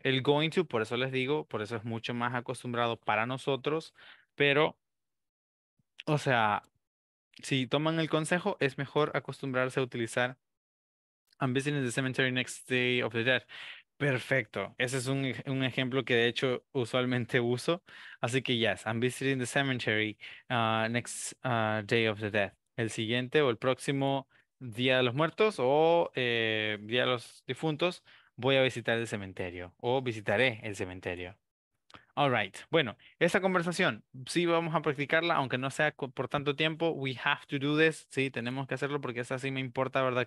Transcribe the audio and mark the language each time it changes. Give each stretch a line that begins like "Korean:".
Spanish: El going to, por eso les digo, por eso es mucho más acostumbrado para nosotros, pero, o sea, si toman el consejo, es mejor acostumbrarse a utilizar
English: I'm visiting the cemetery next day of the dead.
Spanish: Perfecto. Ese es un ejemplo que de hecho usualmente uso. Así que
English: yes, I'm visiting the cemetery next day of the dead.
Spanish: El siguiente o el próximo día de los muertos o día de los difuntos, voy a visitar el cementerio o visitaré el cementerio.
English: All right.
Spanish: Bueno, esta conversación, sí vamos a practicarla, aunque no sea por tanto tiempo.
English: We have to do this.
Spanish: Sí, tenemos que hacerlo porque esa sí me importa, ¿verdad?